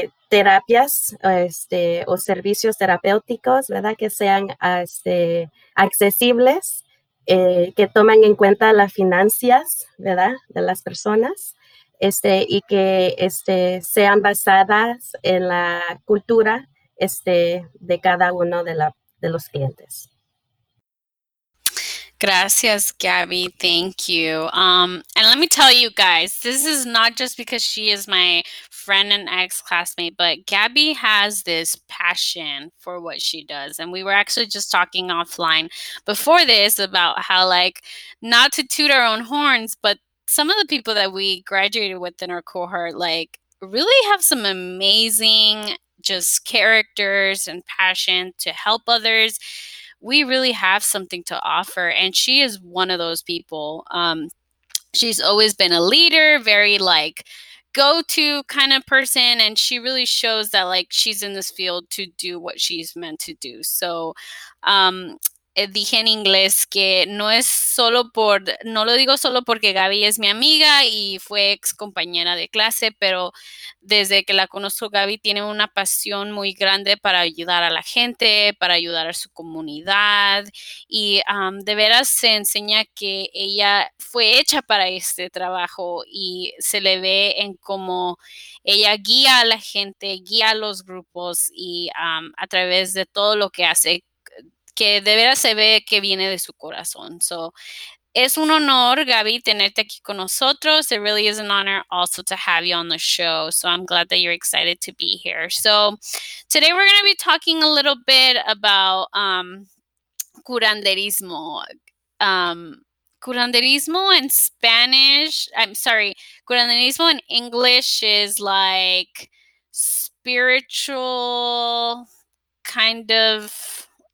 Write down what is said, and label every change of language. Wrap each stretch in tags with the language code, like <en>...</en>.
<es>terapias o servicios terapéuticos, ¿verdad?, que sean accesibles, que tomen en cuenta las finanzas, ¿verdad?, de las personas, y que sean basadas en la cultura de cada uno de los clientes. Gracias, Gabby.</es> <en>Thank you. And let me tell you guys, this is not just because she is my friend and ex-classmate, but Gabby has this passion for what she does. And we were actually just talking offline before this about how, like, not to toot our own horns, but some of the people that we graduated with in our cohort, like, really have some amazing just characters and passion to help others. We really have something to offer, and she is one of those people. She's always been a leader, very, like, go-to kind of person, and she really shows that, like, she's in this field to do what she's meant to do.</en> <es>So, dije en inglés que no lo digo solo porque Gabby es mi amiga y fue ex compañera de clase, pero desde que la conozco, Gabby tiene una pasión muy grande para ayudar a la gente, para ayudar a su comunidad, y de veras se enseña que ella fue hecha para este trabajo y se le ve en cómo ella guía a la gente, guía a los grupos y a través de todo lo que hace, que de veras se ve que viene de su corazón. So, es un honor, Gabby, tenerte aquí con nosotros.</es> <en>It really is an honor also to have you on the show. So, I'm glad that you're excited to be here. So, today we're going to be talking a little bit about curanderismo. Curanderismo in Spanish, I'm sorry, curanderismo in English is like spiritual kind of...</en>